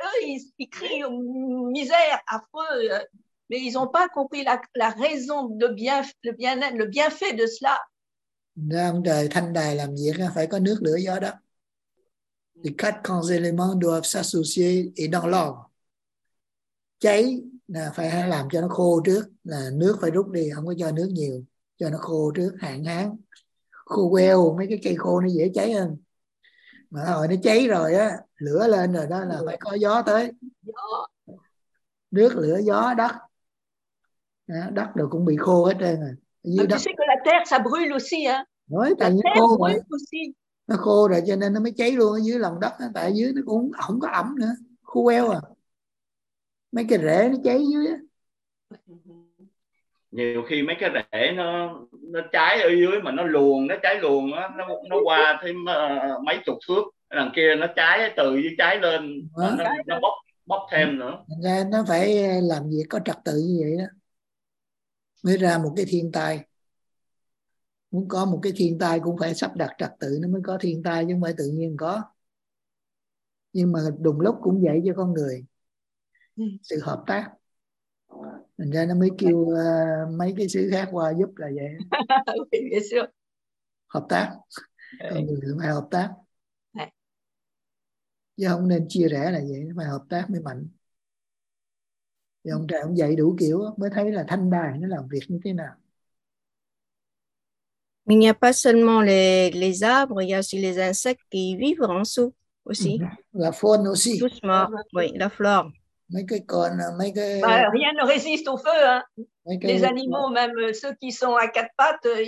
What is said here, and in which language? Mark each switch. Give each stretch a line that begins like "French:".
French: Eux ils crient misère, affreux, mais ils n'ont pas compris la raison de bien, le bienfait de cela. Dans le
Vietnamese: thanh đài làm việc phải có nước, lửa, gió đất.
French: Les quatre grands éléments doivent s'associer et dans l'ordre.
Vietnamese: Cháy là phải làm cho nó khô trước, là nước phải rút đi, không có cho nước nhiều, cho nó khô trước, hạn hán, khô queo, mấy cái cây khô nó dễ cháy hơn. Mà hồi nó cháy rồi á, lửa lên rồi đó là phải có gió tới, nước, lửa, gió, đất, đất rồi cũng bị khô hết trơn rồi.
French: Tu sais que la terre ça brûle aussi hein?
Vietnamese: Nói tại nó khô rồi, nó khô rồi cho nên nó mới cháy luôn ở dưới lòng đất, tại dưới nó cũng không có ẩm nữa, khô queo à. Mấy cái rễ nó cháy dưới á. Nhiều khi mấy cái rễ nó cháy ở dưới mà nó cháy luồn á, nó qua thêm mấy chục thước, đằng kia nó cháy từ dưới cháy lên, nó bốc thêm nữa. Ra nó phải làm việc có trật tự như vậy đó. Mới ra một cái thiên tai. Muốn có một cái thiên tai cũng phải sắp đặt trật tự nó mới có thiên tai chứ không phải tự nhiên có. Nhưng mà đùng lúc cũng vậy cho con người. Sự hợp tác. Mình ra nó mới kêu mấy cái sứ khác qua giúp là vậy. Hợp tác. Con người thường phải hợp tác. Chứ không nên chia rẽ là vậy. Phải hợp tác mới mạnh. Thì ông trời ông dạy đủ kiểu mới thấy là thanh đài nó làm việc như thế nào.
French: Mais il n'y a pas seulement les arbres, il y a aussi les insectes qui vivent en dessous aussi. La faune aussi. Doucement, oui, la flore. Rien ne résiste au feu. Hein. Les animaux, même ceux qui sont à quatre pattes,